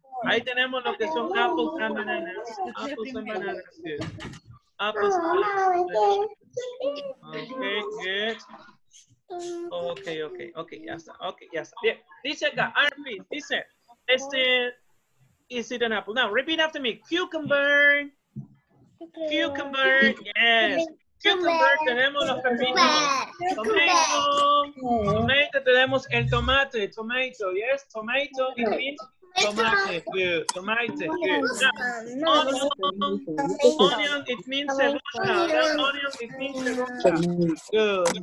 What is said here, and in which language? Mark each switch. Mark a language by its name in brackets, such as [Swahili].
[Spanish] Ahí tenemos lo que son [English] apples and bananas. Apples and bananas, good. Apples and bananas. Okay, good. Okay, okay, okay, [Spanish] ya está. Okay, ya está. Bien. Dice acá, Arvin, dice, este, [English] is it an apple? Now, repeat after me. Cucumber. Cucumber, yes. Cucumber, [Spanish] tenemos los pepinos. [English] Tomato. Tomato, [Spanish] tenemos el tomate. [English] Tomato, yes. Tomato, it means tomate. Good. Tomate, good. Now, onion. Onion, it means cebolla. Onion, it means cebolla. Good.